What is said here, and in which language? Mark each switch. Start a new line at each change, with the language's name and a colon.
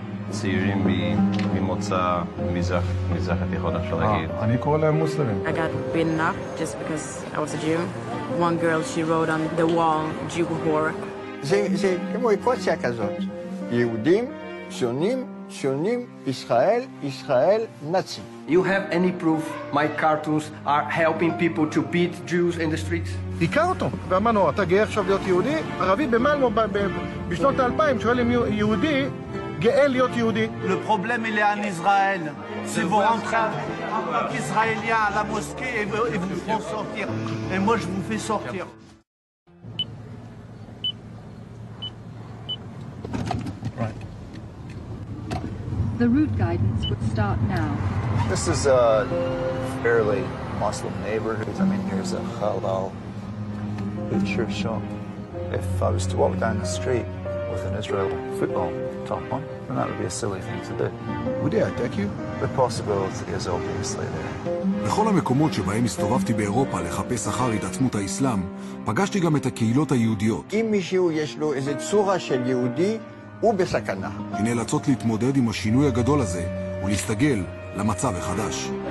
Hebrew: צעירים ממוצא מזרח התיכון, אפשר להגיד. אני קורא להם מוסלמים.
English: I got beaten up just because I was a Jew. One girl, she wrote on the wall, Jew whore. זה כמו אקוציה כזאת. יהודים, ציונים, ציונים, ישראל, ישראל, נאצים.
Hebrew: You have any proof my cartoons are helping people to beat Jews in the streets? הכר אותו, ואמרנו, אתה גאה עכשיו להיות יהודי? ערבי במלמו בשנות ה-2000 שואל אם יהודי גאה להיות יהודי.
French: Le problème il est en Israël. Si vous rentrez en tant qu'Israélien à la mosquée et vous vous faites sortir, et moi je vous fais sortir.
English: The route guidance would start now. This is a fairly Muslim neighborhood. I mean, here's a halal butcher shop. If I was to walk down the street with an Israel football top on, then that would be a silly thing to do. Would they attack you? The possibility is obviously there.
Hebrew: בכל המקומות שבהם הסתובבתי באירופה לחפש אחר התעצמות האסלאם, פגשתי גם את הקהילות היהודיות. אם מישהו יש לו איזו צורה של יהודי, הוא בסכנה. שנאלצות להתמודד עם השינוי הגדול הזה ולהסתגל למצב החדש.